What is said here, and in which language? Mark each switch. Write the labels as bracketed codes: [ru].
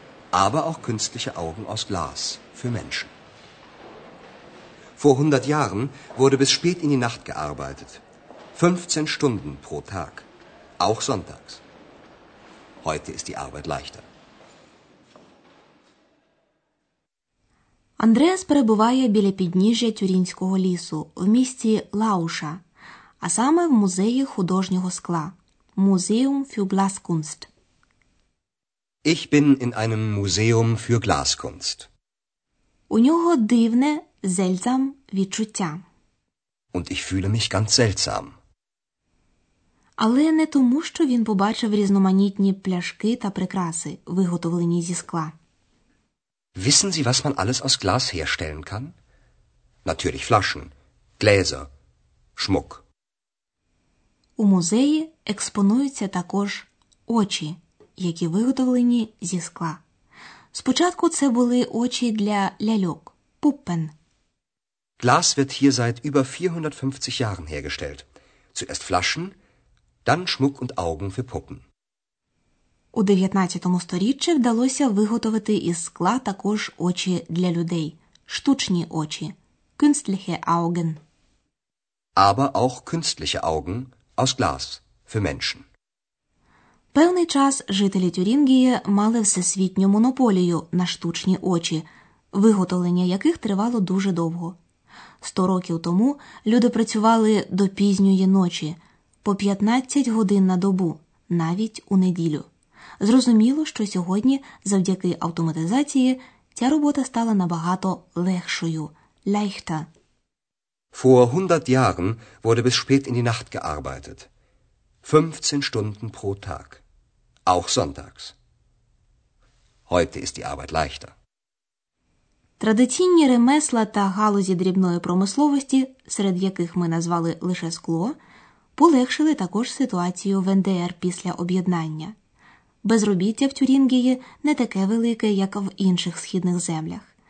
[de] Aber auch künstliche Augen aus Glas für Menschen. Vor 100 Jahren wurde bis spät in die Nacht gearbeitet. 15 Stunden pro Tag. Auch sonntags. Heute ist die Arbeit leichter. [uk] Андреас перебуває біля підніжжя Тюрінського лісу, в місті Лауша, а саме в музеї художнього скла – [de] Museum für Glaskunst. Ich bin in einem Museum für Glaskunst. [uk] У нього дивне, seltsam відчуття. [de] Und ich fühle mich ganz seltsam. [uk] Але не тому, що він побачив різноманітні пляшки та прикраси, виготовлені зі скла. [de] Wissen Sie, was man alles aus Glas herstellen kann? Natürlich Flaschen, Gläser, Schmuck. [uk] У музеї експонуються також очі, які виготовлені зі скла. Спочатку це були очі для ляльок, пуппен. [de] Glas wird hier seit über 450 Jahren hergestellt. Zuerst Flaschen, dann Schmuck und Augen für Puppen. [uk] У 19 сторіччі вдалося виготовити із скла також очі для людей, штучні очі, [de] künstliche Augen. Aber auch künstliche Augen aus Glas für Menschen. [uk] Певний час жителі Тюрінгії мали всесвітню монополію на штучні очі, виготовлення яких тривало дуже довго. 100 років тому люди працювали до пізньої ночі, по 15 годин на добу, навіть у неділю. Зрозуміло, що сьогодні, завдяки автоматизації, ця робота стала набагато легшою. [de] Leichter. Vor 100 Jahren wurde bis spät in die Nacht gearbeitet. 15 Stunden pro Tag. Auch sonntags. Heute ist die Arbeit leichter. [uk] Традиційні ремесла та галузі дрібної промисловості, серед яких ми назвали лише скло, полегшили також ситуацію в НДР після об'єднання. Безробіття в Тюрінгії не таке велике, як в інших східних землях.